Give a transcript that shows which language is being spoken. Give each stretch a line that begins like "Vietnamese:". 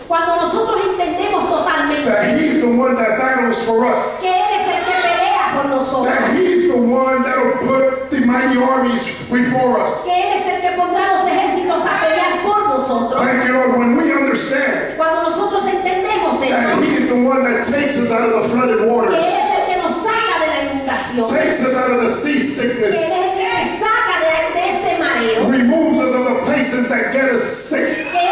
Spanish: cuando nosotros entendemos totalmente,
English: that He's the one that battles for us,
Spanish: que él es el que pelea por nosotros,
English: that He's the one that will put the mighty armies before us,
Spanish: que él es el que pondrá los ejércitos a pelear por nosotros.
English: Thank you, Lord. When we understand,
Spanish: cuando nosotros entendemos esto,
English: that He's the one that takes us out of the flooded waters,
Spanish: que él es el que nos saca de la inundación,
English: takes us out of the seasickness,
Spanish: que él es el que nos saca de ese mareo,
English: removes us of the places that get us sick.